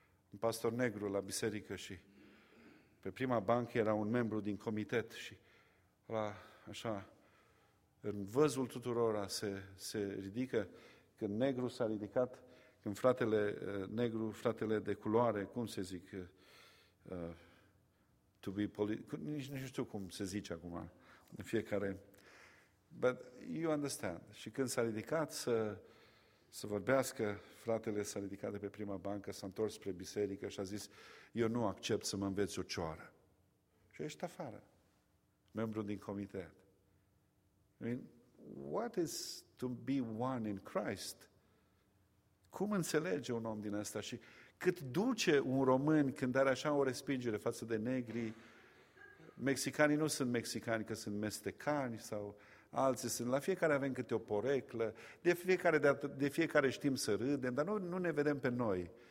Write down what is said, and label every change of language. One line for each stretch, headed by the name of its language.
Romanian: un pastor negru la biserică și pe prima bancă era un membru din comitet și la, așa, în văzul tuturora se ridică, când negru s-a ridicat, când fratele negru, fratele de culoare, cum se zic,
English: to be politic,
Romanian: nici nu știu cum se zice acum, în fiecare,
English: but you understand.
Romanian: Și când s-a ridicat să vorbească, fratele s-a ridicat de pe prima bancă, s-a întors spre biserică și a zis, eu nu accept să mă înveți o cioară. Și ești afară, membru din comitet.
English: I mean, what is to be one in Christ?
Romanian: Cum înțelege un om din ăsta și cât duce un român când are așa o respingere față de negri? Mexicanii nu sunt mexicani, că sunt mestecani sau alții sunt. La fiecare avem câte o poreclă, de fiecare știm să râdem, dar nu ne vedem pe noi.